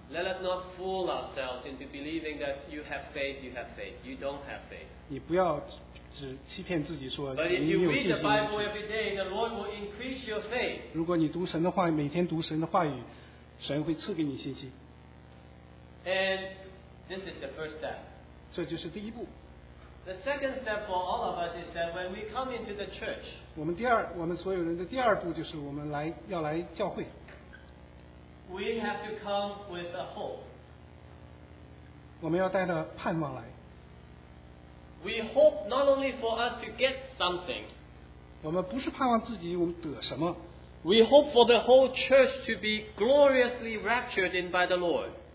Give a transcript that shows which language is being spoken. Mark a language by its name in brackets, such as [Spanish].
[English] Let us not fool ourselves into believing that you have faith, you have faith. You don't have faith. [Chinese] 你不要只欺骗自己说， [English] but if you read the Bible every day, the Lord will increase your faith. [Chinese] 如果你读神的话，每天读神的话语， 神会赐给你信心。 [English] And this is the first step. [Chinese] 这就是第一步。 [English] The second step for all of us is that when we come into the church, [Chinese] 我们所有人的第二步就是我们要来教会。 [English] We have to come with a hope. [Chinese] 我们要带着盼望来。 [English] We hope not only for us to get something. [Chinese] 我们不是盼望自己我们得什么。 [English] We hope for the whole church to be gloriously raptured in by the Lord.